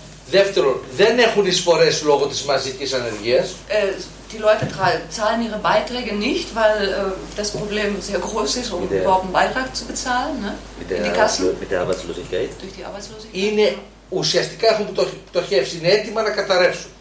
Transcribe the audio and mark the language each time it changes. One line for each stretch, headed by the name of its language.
Greek: Δεύτερον, δεν έχουν εισφορές λόγω της μαζικής ανεργίας.
German: Die Leute zahlen ihre Beiträge nicht, weil das Problem sehr groß ist, um überhaupt einen Beitrag zu bezahlen, ne? Mit der Arbeitslosigkeit. Durch die Arbeitslosigkeit.
Greek: Είναι ουσιαστικά έχουν πτωχεύσει, είναι έτοιμα να καταρρεύσουν.